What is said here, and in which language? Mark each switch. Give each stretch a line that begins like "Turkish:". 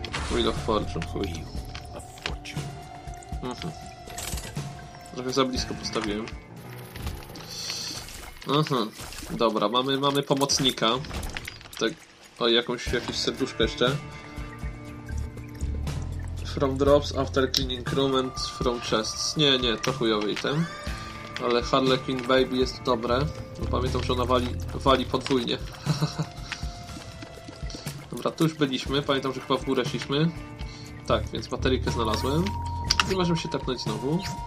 Polish: Wheel of Fortune, chuj. Trochę za blisko postawiłem. Dobra, mamy pomocnika. Tak, o, jakąś serduszkę jeszcze.
English: From drops after cleaning room and from chests.
Polish: Nie, nie, to chujowy item. Ale Harlequin Baby jest dobre. Bo pamiętam, że ona wali podwójnie. Dobra, tu już byliśmy. Pamiętam, że chyba w górę szliśmy. Tak, więc baterykę znalazłem. I możemy się tepnąć znowu.